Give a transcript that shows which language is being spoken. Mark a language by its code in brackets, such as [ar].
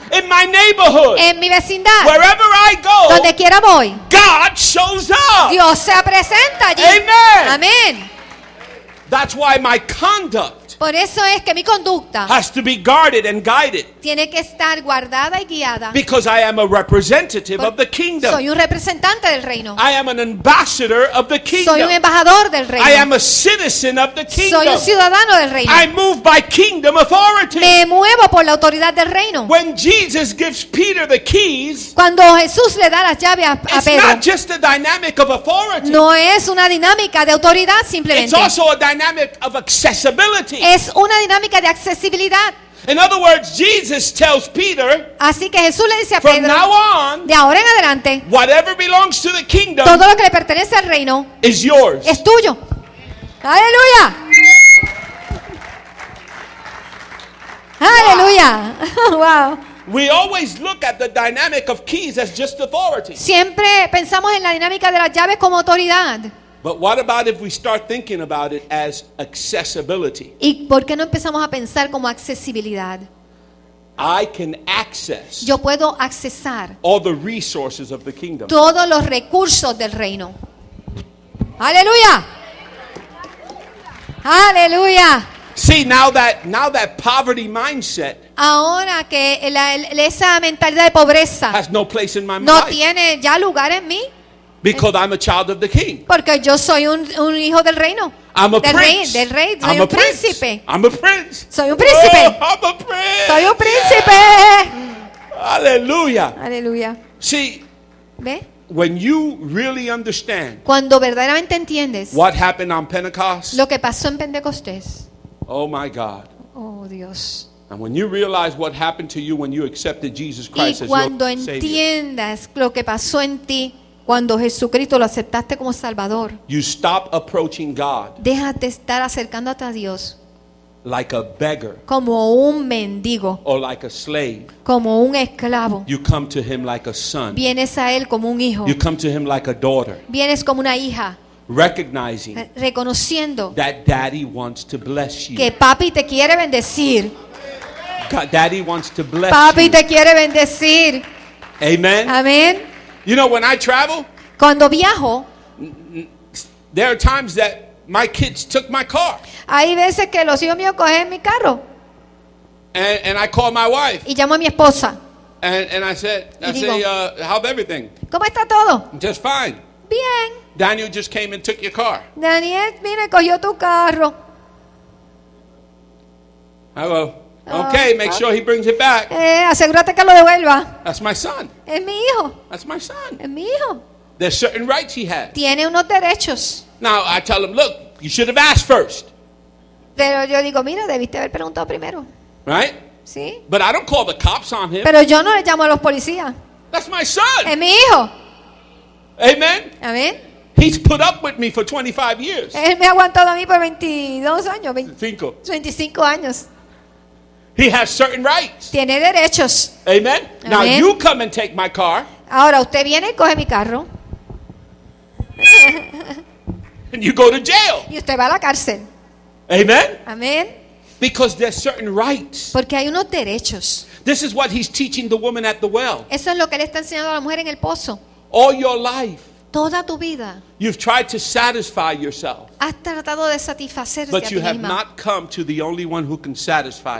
[en] in my neighborhood, [es] en mi vecindad, [en] wherever I go, [es] donde quiera voy, [en] God shows up, [es] Dios se presenta allí. [en] Amen. [es] Amen. [en] That's why my conduct. [es] Por eso es que mi conducta [en] has to be guarded and guided. [es] Tiene que estar guardada y guiada. [en] Because I am a representative of the kingdom. [es] Soy un representante del reino. [en] I am an ambassador of the kingdom. [es] Soy un embajador del reino. [en] I am a citizen of the kingdom. [es] Soy un ciudadano del reino. [en] I move by kingdom authority. [es] Me muevo por la autoridad del reino. [en] When Jesus gives Peter the keys, [es] cuando Jesús le da las llaves a Pedro, [en] it's not just a dynamic of authority. [es] No es una dinámica de autoridad simplemente. [en] It's also a dynamic of accessibility. [es] Es una dinámica de accesibilidad. [en] In other words, Jesus tells Peter, [es] así que Jesús le dice a [en] from [es] Pedro, [en] now on, [es] de ahora en adelante, [en] whatever belongs to the kingdom, [es] todo lo que le pertenece al reino, [en] is yours. [es] Es tuyo. Aleluya. Aleluya. Wow. [en] We always look at the dynamic of keys as just authority. [es] Siempre pensamos en la dinámica de las llaves como autoridad. [en] But what about if we start thinking about it as accessibility? [es] ¿Y por qué no empezamos a pensar como accesibilidad? [en] I can access. [es] Yo puedo accesar. [en] All the resources of the kingdom. [es] Todos los recursos del reino. Aleluya. Aleluya. [en] See now that poverty mindset. [es] Ahora que esa mentalidad de pobreza [en] has no place in my mind. [es] No tiene ya lugar en mí. [en] Because I'm a child of the king. [es] Porque yo soy un hijo del reino. [en] I'm a [es] del [en] prince. [es] Rey, del rey. Soy [en] I'm [es] un príncipe. [en] Prince. I'm a prince. [es] Soy un príncipe. [en] Oh, I'm a prince. [es] Soy un príncipe. Aleluya. Aleluya. [en] See, [es] ¿ve? [en] When you really understand. [es] Cuando verdaderamente entiendes. [en] What happened on Pentecost? [es] Lo que pasó en Pentecostés. [en] Oh my God. [es] Oh Dios. [en] And when you realize what happened to you when you accepted Jesus Christ as your Savior. [es] Y cuando entiendas lo que pasó en ti Cuando Jesucristo lo aceptaste como Salvador. [en] You stop approaching God. [es] Dejas de estar acercándote a Dios. [en] Like a beggar. [es] Como un mendigo. [en] Or like a slave. [es] Como un esclavo. [en] You come to him like a son. [es] Vienes a él como un hijo. [en] You come to him like a daughter. [es] Vienes como una hija. [en] Recognizing. [es] Reconociendo. [en] That daddy wants to bless you. [es] Que papi te quiere bendecir. [en] God, daddy wants to bless [es] papi [en] you. [es] Papi te quiere bendecir. [en] Amen. [es] Amen. [en] You know, when I travel, [es] cuando viajo, [en] there are times that my kids took my car. [es] Hay veces que los hijos míos cogen mi carro. [en] And I call my wife. [es] Y llamo a mi esposa. [en] And I said, how's everything? [es] ¿Cómo está todo? [en] Just fine. [es] Bien. [en] Daniel just came and took your car. [es] Daniel, mira, cogió tu carro. [en] Hello. Okay, make sure he brings it back. [es] Asegúrate que lo devuelva. [en] That's my son. [es] Es mi hijo. [en] That's my son. [es] Es mi hijo. [en] There's certain rights he has. [es] Tiene unos derechos. [en] Now I tell him, look, you should have asked first. [es] Pero yo digo, mira, debiste haber preguntado primero. [en] Right? [es] Sí. [en] But I don't call the cops on him. [es] Pero yo no le llamo a los policías. [en] That's my son. [es] Es mi hijo. [en] Amen. [es] Amen. [en] He's put up with me for 25 years. [es] Él me ha aguantado a mí por 22 años. 25 años. [en] He has certain rights. [es] Tiene derechos. [en] Amen. Now you come and take my car. [es] Ahora usted viene y coge mi carro. [en] And you go to jail. [es] Y usted va a la cárcel. [en] Amen. [es] Amen. [en] Because there's certain rights. [es] Porque hay unos derechos. [en] This is what he's teaching the woman at the well. [es] Eso es lo que le está enseñando a la mujer en el pozo. [en] All your life. [es] Toda tu vida. [en] You've tried to satisfy yourself. [es] Has tratado de satisfacerte a ti misma. [en] But you have not come to the only one who can satisfy.